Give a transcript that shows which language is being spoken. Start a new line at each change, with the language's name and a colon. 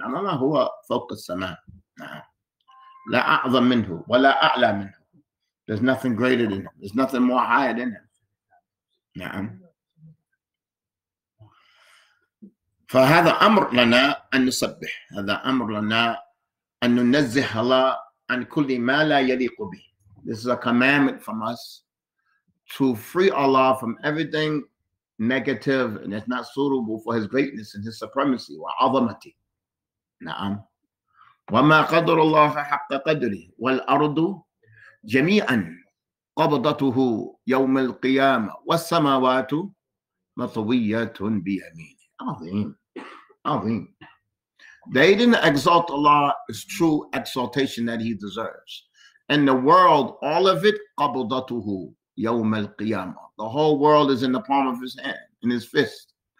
Arabic: Allah هو فوق السماء. لا أعظم منه ولا أعلى منه.
English: There's nothing greater than him. There's nothing more higher than him. نعم.
Arabic: فهذا أمر لنا أن نسبح. هذا أمر لنا أن ننزه الله عن كل ما لا يليق به.
English: This is a commandment from us to free Allah from everything negative and it's not suitable for his greatness and his supremacy وعظمته.
Arabic: نعم. وما قدر الله حق قدره والأرض جميعا قبضته يوم القيامة والسماوات مطوية بيمينه. عظيم. عظيم.
English: They didn't exalt Allah his true exaltation that he deserves. And the world, all of it,
Arabic: قبضته يوم القيامة.
English: The whole world is in the palm of his hand, in his fist.